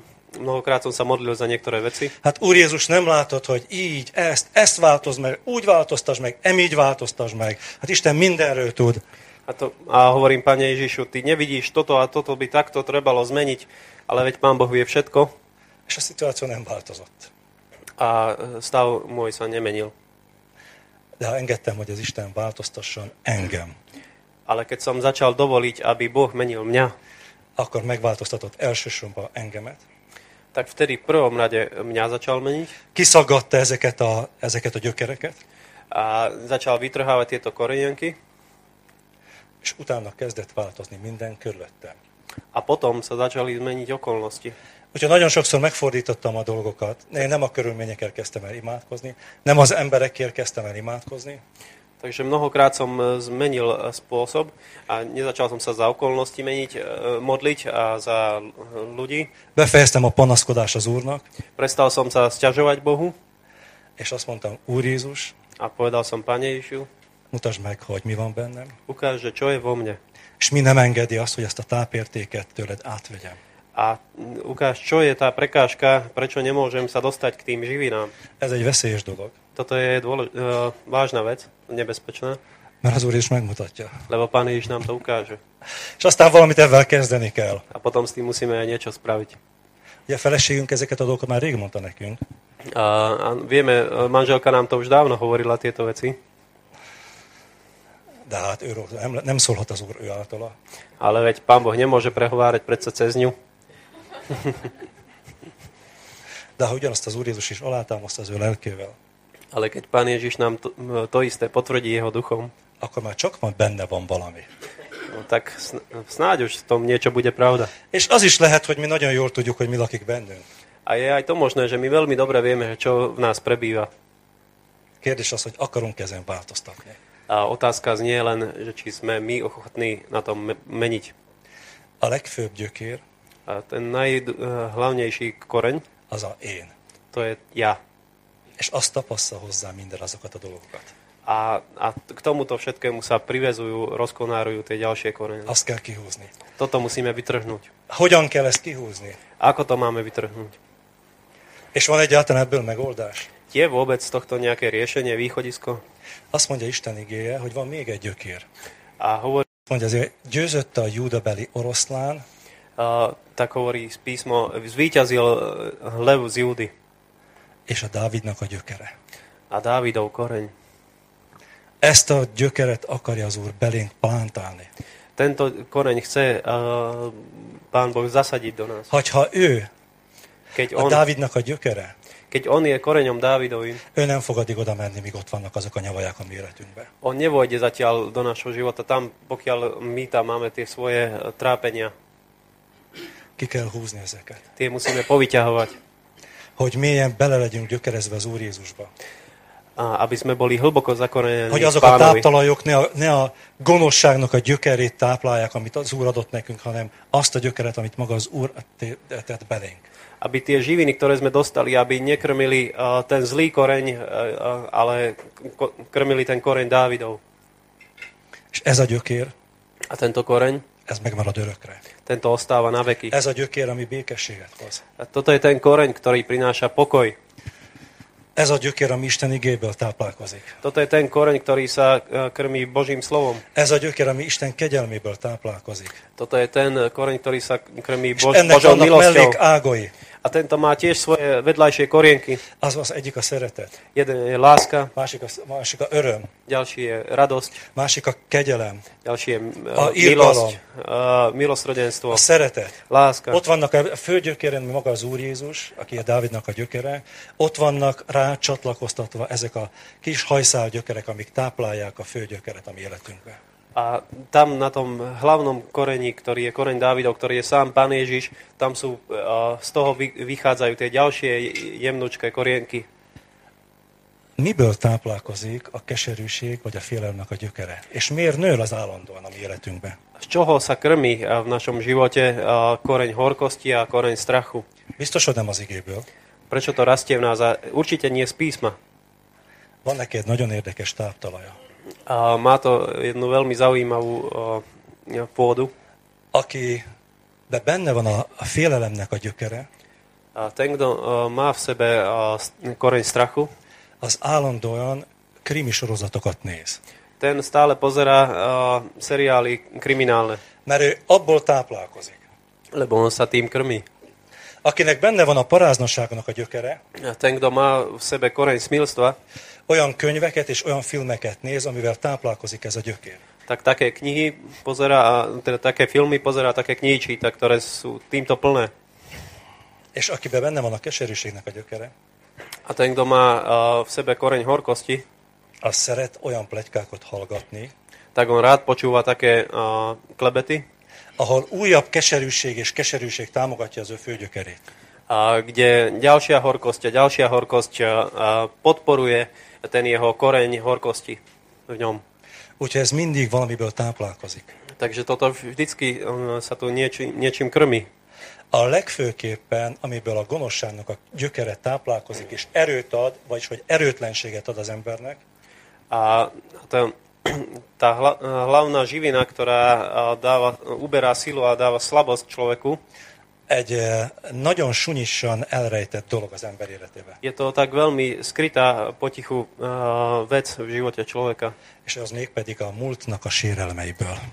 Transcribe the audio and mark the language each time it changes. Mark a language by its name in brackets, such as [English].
[Slovak] Mnohokrát som sa modlil za niektoré veci. [Hungarian] Hát Úr Jézus, nem látod, hogy így, ezt változd meg, úgy változtasd meg, emígy változtasd meg. Hát Isten mindenről tud. [Slovak] A hovorím, Pane Ježišu, ty nevidíš toto a toto by takto trebalo zmeniť, ale veď Pán Boh vie všetko. [Hungarian] És a situáció nem változott. [Slovak] A stav môj sa nemenil. [Hungarian] De ha engedtem, hogy az Isten változtasson engem. [Slovak] Ale keď som začal dovoliť, aby Boh menil mňa, [Hungarian] akkor megváltoztatott elsősorban engemet. [Slovak] Tak vtedy v prvom rade mňa začal meniť. [Hungarian] Kiszaggatta ezeket a gyökereket. [Slovak] A začal vytrhávať tieto korenienky. [Hungarian] És utána kezdett változni minden körülöttem. [Slovak] A potom sa začali zmeniť okolnosti. [Hungarian] Úgyhogy nagyon sokszor megfordítottam a dolgokat. Én nem a körülményekért kezdtem el imádkozni, nem az emberekért kezdtem el imádkozni. [Slovak] Takže mnohokrát som zmenil spôsob a nezačal som sa za okolnosti meniť, modliť a za ľudí. [Hungarian] Befejeztem a panaszkodás az Úrnak. [Slovak] Prestal som sa sťažovať Bohu. [Hungarian] És azt mondtam, Úr Jézus. [Slovak] A povedal som, Pane Ježiu. [Hungarian] Mutasd meg, hogy mi van bennem. [Slovak] Ukáž, čo je vo mne. [Hungarian] És mi nem engedi azt, hogy ezt a tápértéket tőled átvegyem. [Slovak] A ukáž, čo je tá prekážka, prečo nemôžem sa dostať k tým živinám. [Hungarian] Ez egy veszélyes dolog. [Slovak] Toto je vážna vec, nebezpečná. [Hungarian] Mert az Úr is megmutatja. [Slovak] Lebo Pán Ježiš nám to ukáže. [Hungarian] És aztán valamit ebben kezdeni kell. [Slovak] A potom s tým musíme aj niečo spraviť. [Hungarian] Ugye feleségünk ezeket a dolgokat már rég mondta nekünk. [Slovak] Vieme, manželka nám to už dávno hovorila tieto veci. [Hungarian] De hát ő, nem szólhat az Úr ő általa. [Slovak] Ale veď Pán Boh nemôže prehovárať predsa cez ňu. [Hungarian] De ha ugyanazt az Úr Jézus is alátámasztja az ő lelkével. [Slovak] Ale keď Pán Ježiš nám to isté potvrdí jeho duchom. [Hungarian] Akkor már csak majd benne van valami. [Slovak] No, tak snáď už v tom niečo bude pravda. [Hungarian] És az is lehet, hogy mi nagyon jól tudjuk, hogy mi lakik bennünk. [Slovak] A je aj to možné, že my veľmi dobre vieme, čo v nás prebýva. [Hungarian] Kérdés az, hogy akarunk ezen változtatni. [Slovak] A otázka znie len, že či sme my ochotní na tom meniť. [Hungarian] A legfőbb gyökér. [Slovak] A ten najhlavnejší koreň. [Hungarian] Az a én. [Slovak] To je ja. [Hungarian] És azt tapassza hozzá minden azokat a dolgokat. [Slovak] A k tomuto všetkému sa privezujú, rozkonárujú tie ďalšie korene. [Hungarian] Azt kell kihúzni. [Slovak] Toto musíme vytrhnúť. [Hungarian] Hogyan kell ezt kihúzni? [Slovak] Ako to máme vytrhnúť? [Hungarian] És van egyáltalán ebből megoldás? [Slovak] Je vôbec tohto nejaké riešenie, východisko? [Hungarian] Azt mondja Isten igéje, hogy van még egy gyökér. [Slovak] A hovorí... [Hungarian] Mondja, győzött a júdabeli oroszlán. [Slovak] Tak hovorí písmo, zvíťazil lev z Júdy. [Hungarian] És a Dávidnak a gyökere. [Slovak] a Dávidov koreň. [Hungarian] Ezt a gyökeret akarja az Úr belénk plantálni. [Slovak] Tento koreň chce Pán Boh zasadiť do nás. [Hungarian] Hogyha ő, [Slovak] keď on, [Hungarian] a Dávidnak a gyökere, [Slovak] keď on je koreňom Dávidovým, [Hungarian] ő nem fog addig oda menni, míg ott vannak azok a nyavaják a méretünkben. [Slovak] On nevojde zatiaľ do našho života, tam, pokiaľ my tam máme tie svoje trápenia. [Hungarian] Ki kell húzni ezeket. [Slovak] Tie musíme povyťahovať. [Hungarian] Hogy mélyen bele legyünk gyökerezve az Úr Jézusba. [Slovak] Aby sme boli hlboko zakorenení. [Hungarian] Hogy azok a táptalajok ne a gonoszságnak a gyökerét táplálják, amit az Úr adott nekünk, hanem azt a gyökeret, amit maga az Úr tett belénk. [Slovak] Aby tie živiny, ktoré sme dostali, aby nekrmili ten zlý koreň, ale krmili ten koreň Dávidov. [Hungarian] És ez a gyökér. [Slovak] A tento koreň. [Hungarian] Ez megmarad örökre. [Slovak] Tento ostáva na veky. [Hungarian] Ez a gyökér, ami békességet hoz. [Slovak] A toto je ten koreň, ktorý prináša pokoj. [Hungarian] Ez a gyökér, ami Isten igéből táplálkozik. [Slovak] Toto je ten koreň, ktorý sa krmí Božím slovom. [Hungarian] Ez a gyökér, ami Isten kegyelméből táplálkozik. [Slovak] Toto je ten koreň, ktorý sa krmí Božou milosťou. A tento má tiež svoje vedľajšie korienky. [Hungarian] Az egyik a szeretet. [Slovak] Jeden je láska. [Hungarian] Másik a öröm. [Slovak] Ďalší je radosť. [Hungarian] Másik a kegyelem. [Slovak] Ďalší je milosť. Milosrdenstvo. [Hungarian] A szeretet. [Slovak] Láska. [Hungarian] Ott vannak a fő gyökeren, maga az Úr Jézus, aki a Dávidnak a gyökere. Ott vannak rá csatlakoztatva ezek a kis hajszál gyökerek, amik táplálják a fő gyökeret a mi életünkbe. [Slovak] A tam na tom hlavnom koreni, ktorý je koreň Dávidov, ktorý je sám Pán Ježiš, tam sú z toho vychádzajú tie ďalšie jemnučké korienky. [Hungarian] Miből táplálkozik a keserűség vagy a félelemnek a gyökere? És miért nő az állandóan a mi életünkben? [Slovak] Z čoho sa krmí v našom živote koreň horkosti a koreň strachu? [Hungarian] Biztos, hogy nem az igéből. [Slovak] Prečo to rastie v nás? Určite nie z písma. [Hungarian] Van neki egy nagyon érdekes táptalaja. [Slovak] A má to jednu veľmi zaujímavú pôdu. [Hungarian] Aki de benne van a félelemnek a gyökere. [Slovak] A ten, kto má v sebe koreň strachu. [Hungarian] Az állandóan krimi sorozatokat néz. [Slovak] Ten stále pozerá seriály kriminálne. [Hungarian] Mert ő abból táplálkozik. [Slovak] Lebo on sa tým krmí. [Hungarian] Akinek benne van a paráznosságnak a gyökere. [Slovak] A ten, kto má v sebe koreň smilstva. [Hungarian] Olyan könyveket és olyan filmeket néz, amivel táplálkozik ez a gyökér. [Slovak] Tak také knihy pozerá, teda také filmy pozerá, také knihy číta, ktoré sú týmto plné. [Hungarian] És akiben benne van a keserűségnek a gyökere. [Slovak] A ten, kto má v sebe koreň horkosti. [Hungarian] A szeret olyan pletykákat hallgatni. [Slovak] Tak on rád počúva také klebety. [Hungarian] Ahol újabb keserűség és keserűség támogatja az ő fő gyökerét. [Slovak] A kde ďalšia horkosť podporuje ten jeho koreň horkosti v ňom. [Hungarian] Úgyhogy ez mindig valamiből táplálkozik. [Slovak] Takže toto vždycky sa tu niečím krmi. [Hungarian] A legfőképpen, amiből a gonoszságnak a gyökere táplálkozik, és erőt ad, vagyis hogy erőtlenséget ad az embernek. [Slovak] A tá hlavná živina, ktorá dáva, uberá silu a dáva slabosť človeku, [Hungarian] egy nagyon sunyisan elrejtett dolog az ember életében. [Slovak] Je to tak veľmi skrytá potichu vec v živote človeka. [Hungarian] És az még pedig a múltnak a sérelmeiből.